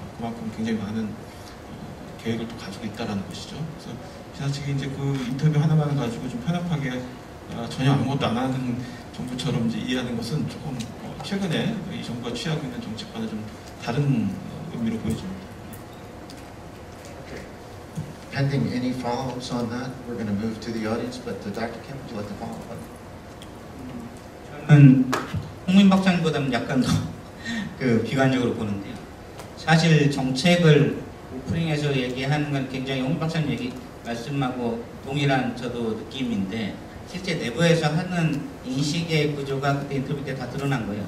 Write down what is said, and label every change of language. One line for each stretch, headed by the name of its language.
Korean: 그만큼 굉장히 많은 계획을 또 가지고 있다라는 것이죠. 그래서 지나치게 이제 그 인터뷰 하나만 가지고 좀 편협하게 전혀 아무것도 안 하는 정부처럼 이제 이해하는 것은 조금 최근에 이 정부가 취하고 있는 정책과는 좀 다른 의미로 보여집니다.
English: Okay. Pending any follow-ups on that, we're going to move to the audience. But Dr. Kim, would you like to follow up?
Korean: 저는 홍민 박사님보다는 약간 더 그 비관적으로 보는데요. 사실 정책을 오프닝에서 얘기하는 건 굉장히 홍민 박사님 얘기 말씀하고 동일한 저도 느낌인데 실제 내부에서 하는 인식의 구조가 그때 인터뷰 때 다 드러난 거예요.